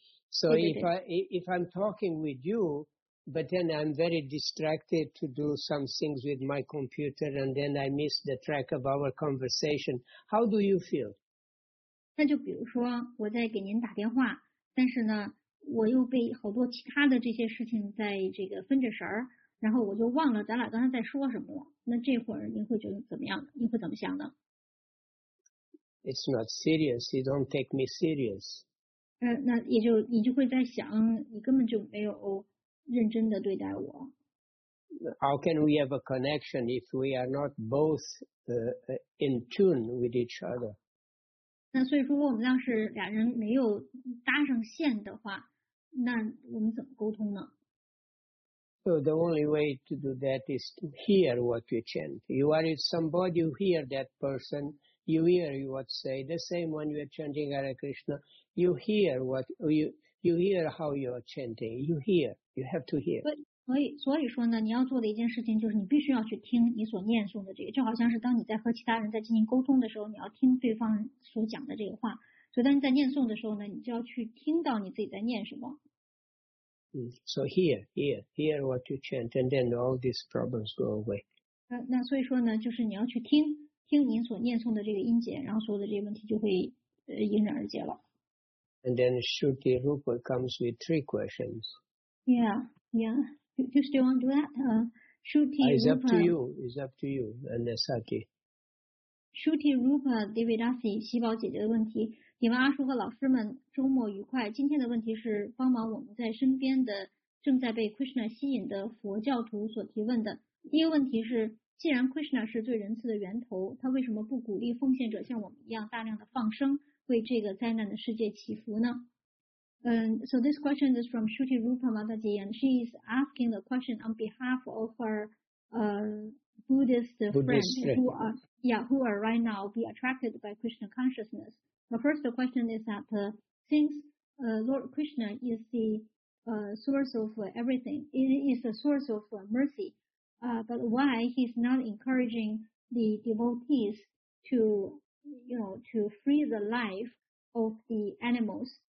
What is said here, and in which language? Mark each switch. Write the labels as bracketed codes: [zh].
[en] So if I'm talking with you, but then I'm very distracted to do some things with my computer, and then I miss the track of our conversation, how do you feel? [zh] 那就比如说我在给您打电话，但是呢，我又被好多其他的这些事情在这个分着神儿。然后我就忘了咱俩刚才在说什么。那这会儿您会觉得怎么样？您会怎么想的？ [en] It's not serious. You don't take me serious. [zh] 那也就你就会在想，你根本就没有认真的对待我。 [en] How can we have a connection if we are not both in tune with each other? [zh] 那所以说，如果我们要是俩人没有搭上线的话，那我们怎么沟通呢？ [en] So the only way to do that is to hear what you chant. You are with somebody, you hear that person, you hear what say. The same when you are chanting Hare Krishna, you hear what you hear how you are chanting. You hear. You have to hear. But, [zh] 所以说呢，你要做的一件事情就是你必须要去听你所念诵的这个，就好像是当你在和其他人在进行沟通的时候，你要听对方所讲的这个话。所以当你在念诵的时候呢，你就要去听到你自己在念什么。 [en] So hear what you chant, and then all these problems go away. [zh] 那所以说呢，就是你要去听您所念诵的这个音节，然后所有的这些问题就会迎刃而解了。 [en] And then Shruti Rupa comes with three questions. Yeah. Do you want to do that? Shruti Rupa. It's up to you, Nesaki. [zh] Shruti Rupa, Devadasi, 喜宝姐姐的问题，请问阿叔和老师们周末愉快。今天的问题是帮忙我们在身边的正在被 Krishna 吸引的佛教徒所提问的。第一个问题是，既然 Krishna 是最仁慈的源头，他为什么不鼓励奉献者像我们一样大量的放生，为这个灾难的世界祈福呢？ [en] So this question is from Shruti Rupa Mataji, and she is asking the question on behalf of her Buddhist friends who are right now be attracted by Krishna consciousness. The first question is that since Lord Krishna is the source of everything, is the source of mercy, but why he's not encouraging the devotees to, you know, to free the life of the animals?